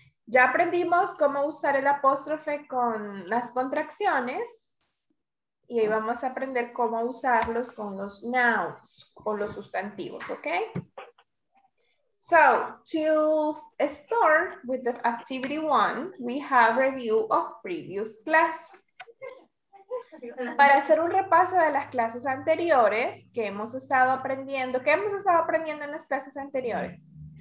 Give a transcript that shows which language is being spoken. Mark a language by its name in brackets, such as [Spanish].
[Spanish] Ya aprendimos cómo usar el apóstrofe con las contracciones y hoy vamos a aprender cómo usarlos con los nouns o los sustantivos, okay? [English] So, to start with the activity one, we have review of previous class. [Spanish] Para hacer un repaso de las clases anteriores que hemos estado aprendiendo, ¿qué hemos estado aprendiendo en las clases anteriores?